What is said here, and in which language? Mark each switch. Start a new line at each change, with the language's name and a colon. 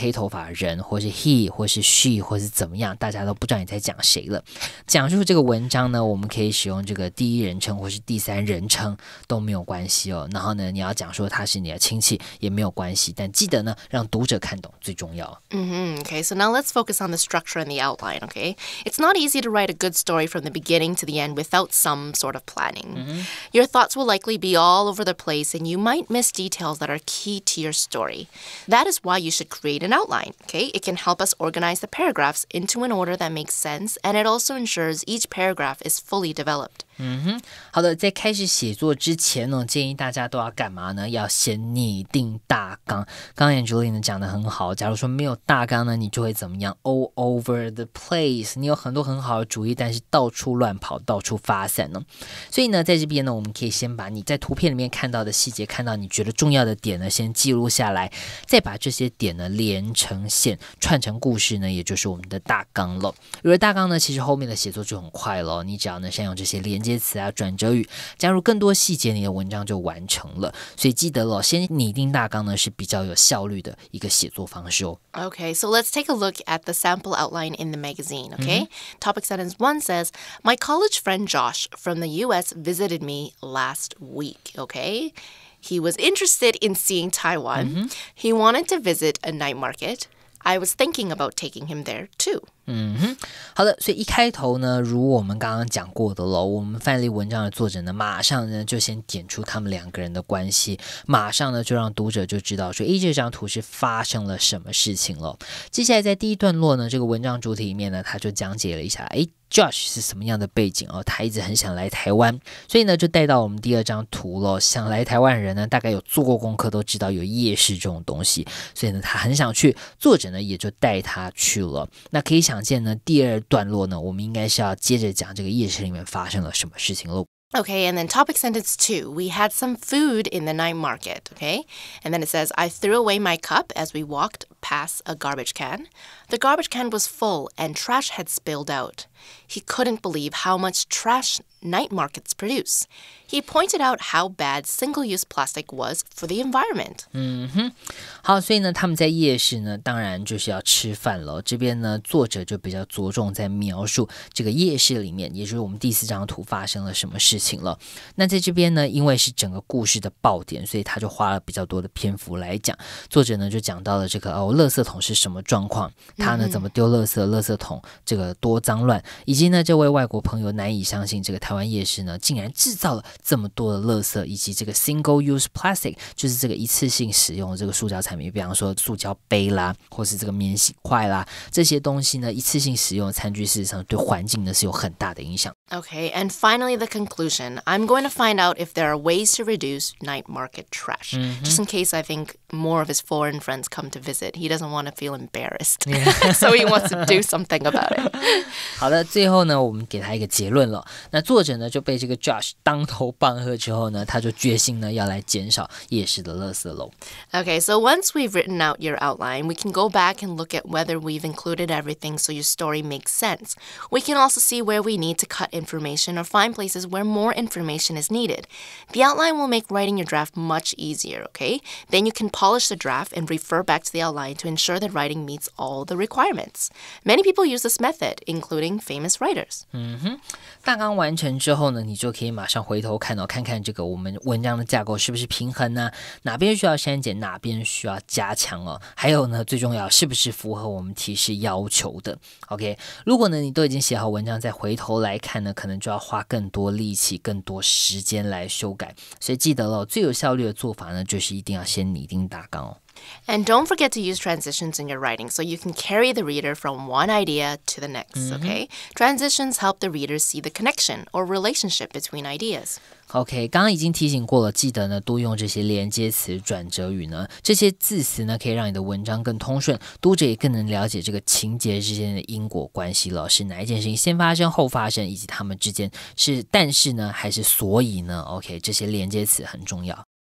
Chinese: 黑头发人或是 he 或是 she 或是怎么样，大家都不知道你在讲谁了。讲述这个文章呢，我们可以使用这个第一人称或是第三人称都没有关系哦。然后呢，你要讲说他是你的亲戚也没有关系，但记得呢让读者看懂最重要。
English: Okay, so now let's focus on the structure and the outline, okay? It's not easy to write a good story from the beginning to the end without some sort of planning. Your thoughts will likely be all over the place and you might miss details that are key to your story. That is why you should create an outline, okay? It can help us organize the paragraphs into an order that makes sense, and it also ensures each paragraph is fully developed.
Chinese: 嗯哼，好的，在开始写作之前呢，建议大家都要干嘛呢？要先拟定大纲。刚刚 Angelina 讲得很好，假如说没有大纲呢，你就会怎么样 ？
English: All over the place，
Chinese: 你有很多很好的主意，但是到处乱跑，到处发散呢。所以呢，在这边呢，我们可以先把你在图片里面看到的细节，看到你觉得重要的点呢，先记录下来，再把这些点呢连成线，串成故事呢，也就是我们的大纲了。有了大纲呢，其实后面的写作就很快了。你只要能善用这些连接词啊、转折语，加入更多细节，你的文章就完成了。所以记得了，先拟定大纲呢是比较有效率的一个写作方式哦。
English: Okay, so let's take a look at the sample outline in the magazine, okay? Topic sentence one says, My college friend Josh from the U.S. visited me last week, okay? He was interested in seeing Taiwan. He wanted to visit a night market. I was thinking about taking him there, too.
Chinese: 嗯哼，好的，所以一开头呢，如我们刚刚讲过的了，我们范例文章的作者呢，马上呢就先点出他们两个人的关系，马上呢就让读者就知道说，哎，这张图是发生了什么事情了。接下来在第一段落呢，这个文章主体里面呢，他就讲解了一下，哎 ，Josh 是什么样的背景哦，他一直很想来台湾，所以呢就带到我们第二张图了。想来台湾的人呢，大概有做过功课都知道有夜市这种东西，所以呢他很想去，作者呢也就带他去了。那可以想。第二段落呢，我们应该是要接着讲这个夜市里面发生了什么事情喽。
English: Okay, and then topic sentence two. We had some food in the night market, okay? And then it says, I threw away my cup as we walked past a garbage can. The garbage can was full and trash had spilled out. He couldn't believe how much trash night markets produce. He pointed out how bad single-use plastic was for the environment. Mm-hmm.
Chinese: 好，所以呢，他们在夜市呢，当然就是要吃饭了。这边呢，作者就比较着重在描述这个夜市里面，也就是我们第四张图发生了什么事情了。那在这边呢，因为是整个故事的爆点，所以他就花了比较多的篇幅来讲。作者呢，就讲到了这个哦，垃圾桶是什么状况，他呢怎么丢垃圾，垃圾桶这个多脏乱，以及呢，这位外国朋友难以相信这个台湾夜市呢，竟然制造了这么多的垃圾，以及这个
English: single use plastic，
Chinese: 就是这个一次性使用的这个塑胶产品。比方说塑胶杯啦，或是这个免洗筷啦，这些东西呢，一次性使用的餐具事实上对环境呢是有很大的影响。
English: Okay, and finally the conclusion. I'm going to find out if there are ways to reduce night market trash.、 Mm-hmm. Just in case I think more of his foreign friends come to visit. He doesn't want to feel embarrassed.、 Yeah. So he wants to do something about it.
Chinese: 好的，最后呢，我们给他一个结论了。那作者呢，就被这个 Josh 当头棒喝之后呢，他就决心呢，要来减少夜市的垃圾咯。
English: Okay, so once we've written out your outline, we can go back and look at whether we've included everything so your story makes sense. We can also see where we need to cut information or find places where more information is needed. The outline will make writing your draft much easier, okay? Then you can polish the draft and refer back to the outline to ensure that writing meets all the requirements. Many people use this method, including famous writers.
Chinese: 嗯哼，大纲完成之后呢，你就可以马上回头看哦，看看这个我们文章的架构是不是平衡呢？哪边需要删减，哪边需要加强哦？还有呢，最重要是不是符合我们提示要求的 ？OK， 如果呢你都已经写好文章，再回头来看。可能就要花更多力气更多时间来修改所以记得了最有效率的做法呢就是一定要先拟定大纲哦
English: And don't forget to use transitions in your writing so you can carry the reader from one idea to the next,、 mm-hmm. okay? Transitions help the reader see the connection or relationship between ideas.
Chinese: Okay, 刚刚已经提醒过了，记得呢，多用这些连接词、转折语呢，这些字词呢，可以让你的文章更通顺，读者也更能了解这个情节之间的因果关系了，是哪一件事情先发生、后发生，以及他们之间是但是呢，还是所以呢 ？Okay, 这些连接词很重要。